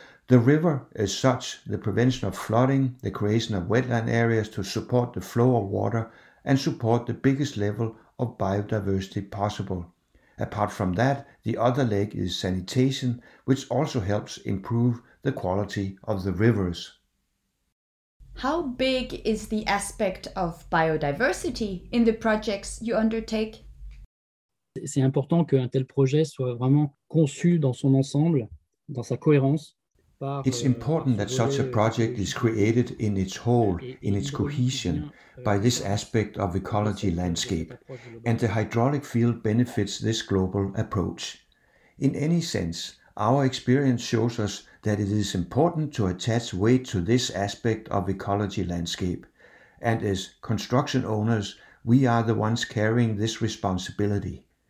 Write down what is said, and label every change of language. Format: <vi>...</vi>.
<en>The river as such, the prevention of flooding, the creation of wetland areas to support the flow of water and support the biggest level of biodiversity possible. Apart from that, the other leg is sanitation, which also helps improve the quality of the rivers. How big is the aspect of biodiversity in the projects you undertake?</en> <fr>C'est important qu'un tel projet soit vraiment conçu dans son ensemble, dans sa cohérence.</fr> <en>It's important that such a project is created in its whole, in its cohesion, by this aspect of ecology landscape, and the hydraulic field benefits this global approach. In any sense, our experience shows us that it is important to attach weight to this aspect of ecology landscape, and as construction owners, we are the ones carrying this responsibility.</en>